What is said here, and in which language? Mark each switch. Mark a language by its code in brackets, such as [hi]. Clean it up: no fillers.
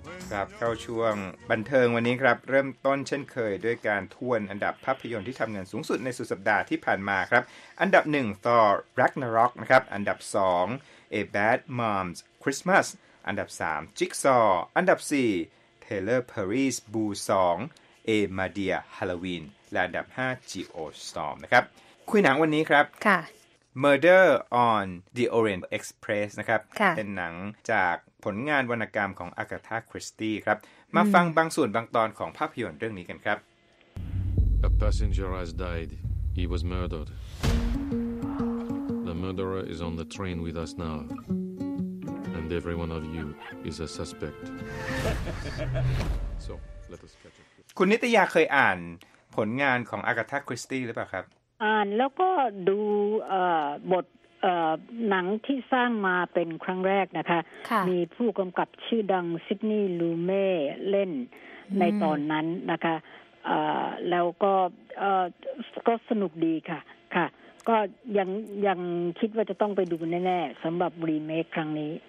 [th] ครับเข้าช่วงบันเทิงวันนี้ครับเริ่มต้นเช่นเคยด้วยการทวนอันดับภาพยนตร์ที่ทำเงินสูงสุดในสุดสัปดาห์ที่ผ่านมาครับอันดับ1 Thor Ragnarok นะครับอันดับ2 A Bad Mom's Christmas อันดับ3 Jigsaw อันดับ4 Taylor Perry's Boo 2 A Madea Halloween และอันดับ5 Geostorm นะครับคุยหนังวันนี้ครับ ค่ะ Murder on the Orient Express นะครับ ค่ะ เป็นหนังจากผลงานวรรณกรรมของอากาธาคริสตี้ครับมาฟังบางส่วนบางตอนของภาพยนตร์เรื่องนี้กันครับ [en] A passenger has died. He was murdered. The murderer is on the train with us now. And every one of you is a suspect. So, let us catch up. [th] คุณนิตยาเคยอ่านผลงานของอากาธาคริสตี้หรือเปล่าครับ อ่านแล้วก็ดูบทหนังที่สร้างมาเป็นครั้งแรกนะคะ มีผู้กำกับชื่อดังซิดนีย์ลูเม่เล่น ในตอนนั้นนะคะแล้วก็ก็สนุกดีค่ะค่ะก็ยังคิดว่าจะต้องไปดูแน่ๆสำหรับรีเมคครั้งนี